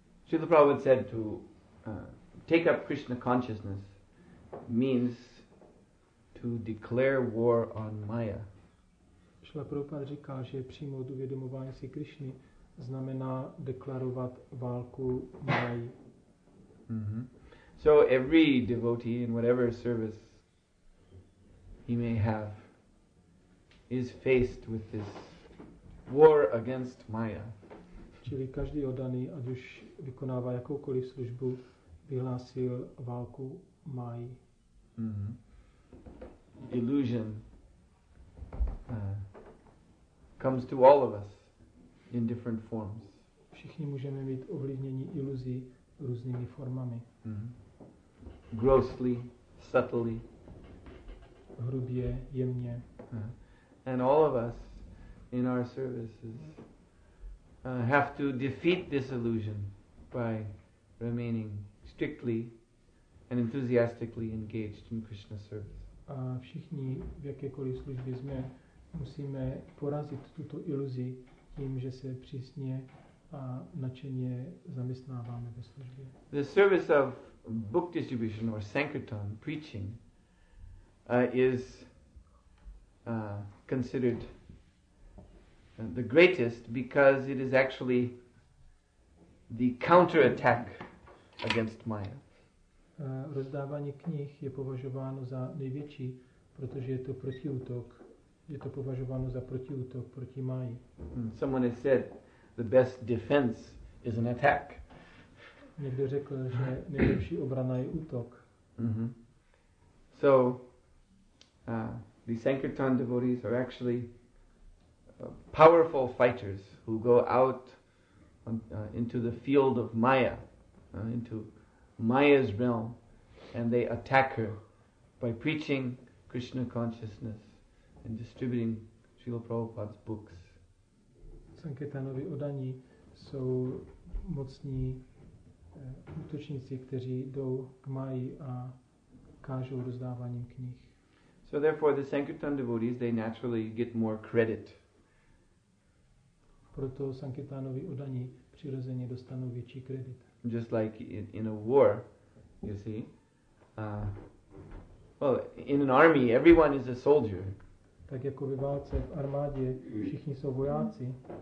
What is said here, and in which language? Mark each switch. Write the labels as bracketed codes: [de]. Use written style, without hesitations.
[en] Srila Prabhupada said to take up Krishna consciousness means to declare war on Maya. [cs] Srila Prabhupada říká, že přijmout uvědomování si Krišny znamená deklarovat válku Mají. Mm-hmm. [en] So every devotee in whatever service he may have is faced with this war against Maya. [cs] Čili každý oddaný, ať už vykonává jakoukoliv službu, vyhlásil válku Mají. [en] Mm-hmm. Illusion comes to all of us in different forms. [cs] Všichni můžeme být ovlivněni iluzí různými formami. [en] Mm-hmm. Grossly, subtly. [cs] Hrubě, jemně. [en] And all of us in our services have to defeat this illusion by remaining strictly and enthusiastically engaged in Krishna service. [cs] A všichni v jakékoliv službě jsme musíme porazit tuto iluzi tím, že se přísně a nadšeně zaměstnáváme ve službě. [en] The service of book distribution or sankirtan, preaching, is considered the greatest because it is actually the counterattack against Maya. [cs] Rozdávání knih je považováno za největší, protože je to protiútok. Je to považováno za protiútok proti Máji. [en] Someone has said the best defense is an attack. [cs] Někdo řekl, že nejlepší obrana je útok. Mm-hmm. [en] So the sankirtan devotees are actually powerful fighters who go out on, into the field of Maya, into Maya's realm, and they attack her by preaching Krishna consciousness and distributing Srila Prabhupada's books. [cs] Sankirtanovi oddaní jsou mocní útočníci, kteří jdou k Máji a kážou rozdáváním knih. [en] So therefore the sankirtan devotees, they naturally get more credit. [cs] Proto sankirtanovi oddaní přirozeně dostanou větší kredit. [en] Just like in a war, you see. Well, in an army everyone is a soldier. [cs] Tak jako ve válce v armádě všichni jsou vojáci.